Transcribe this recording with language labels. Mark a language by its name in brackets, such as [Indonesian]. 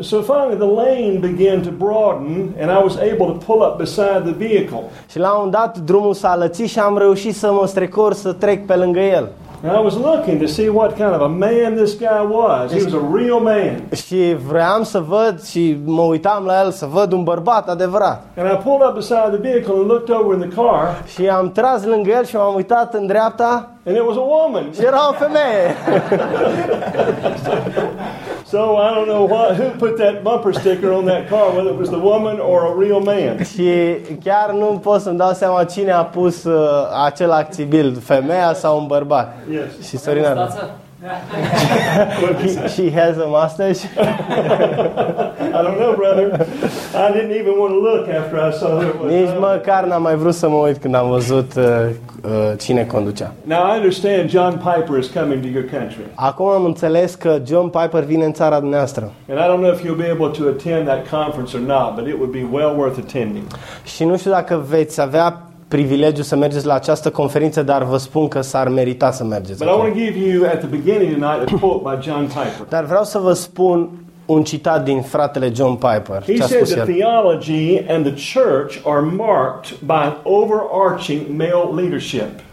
[English] So finally the lane began to broaden and I was able to pull up beside the vehicle. [Romanian] Și la un dat drumul s-a lățit și am reușit să mă strecor să trec pe lângă el. [English] I was looking to see what kind of a man this guy was. He was a real man. [Romanian] Și vreau să văd și mă uitam la el să văd un bărbat adevărat. [English] And I pulled up beside the vehicle and looked over in the car. [Romanian] Și am tras lângă el și m-am uitat în dreapta. [English] And it was a woman. [Romanian] Și era o femeie. [English] So I don't know who put that bumper sticker on that car, whether it was the woman or a real man. [Romanian] Și chiar nu pot să-mi dau seama cine a pus acel acțibil, femeia sau un bărbat. [English] Yes. [Romanian] Și Sorina. [English] She has a mustache. I don't know, brother. I didn't even want to look after I saw her. [Romanian] Nici măcar n-am mai vrut să mă uit când am văzut cine conducea. [English] Now I understand John Piper is coming to your country. [Romanian] Acum am înțeles că John Piper vine în țara noastră. [English] And I don't know if you'll be able to attend that conference or not, but it would be well worth attending. [Romanian] Și nu știu dacă veți avea privilegiu să mergeți la această conferință, dar vă spun că s-ar merita să mergeți. [English] But I want to give you at the beginning tonight a quote by John Piper. [Romanian] Dar vreau să vă spun un citat din fratele John Piper. [English] He says that theology and the church are marked by overarching male leadership.